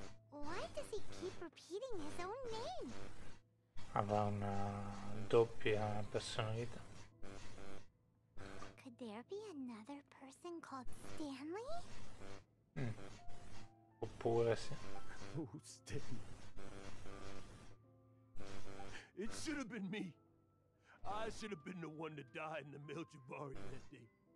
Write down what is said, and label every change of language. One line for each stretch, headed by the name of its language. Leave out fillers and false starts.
English: Why does he keep repeating his own name?
Italian: Aveva una doppia personalità.
English: Could there be another person called Stanley?
Italian: Oppure sì.
English: Oh, Stanley. It should have been me. I should have been the one to die in the Miljabari that day.